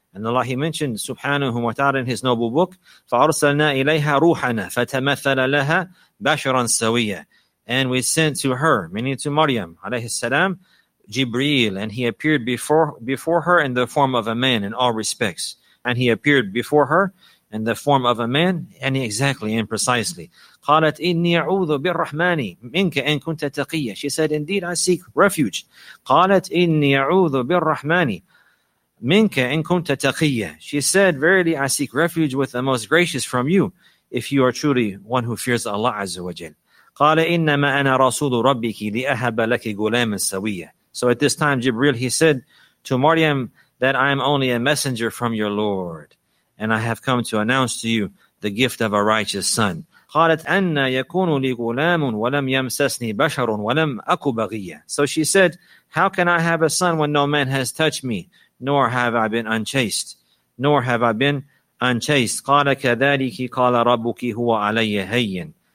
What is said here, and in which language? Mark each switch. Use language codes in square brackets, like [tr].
[en] And Allah, he mentioned, subhanahu wa ta'ala, in his noble book, [ar] فَأَرْسَلْنَا إِلَيْهَا رُوحَنَا فَتَمَثَّلَ لَهَا بَشَرًا سَوِيًّا. [en] And we sent to her, meaning to Maryam alayhi salam, Jibreel, and he appeared before her in the form of a man in all respects. And he appeared before her in the form of a man, and exactly and precisely. [ar] قالت إني أعوذ بالرحمن منك إن كنت تقيا. [en] She said, indeed, I seek refuge. [ar] قالت إني أعوذ بالرحمن منك إن كنت تقيا. [en] She said, verily, I seek refuge with the most gracious from you, if you are truly one who fears Allah Azza wa Jal. [ar] قال إنما أنا رسول ربك لأهب لك غلاما سويا. [en] So at this time, Jibreel, he said to Maryam that I am only a messenger from your Lord, and I have come to announce to you the gift of a righteous son. [ar] قالت أن يكون لي غلام ولم يمسسني بشر ولم أكو بغية. [en] So she said, how can I have a son when no man has touched me, nor have I been unchaste, nor have I been unchaste. [ar] قال كذلك قال ربك هو علي هين.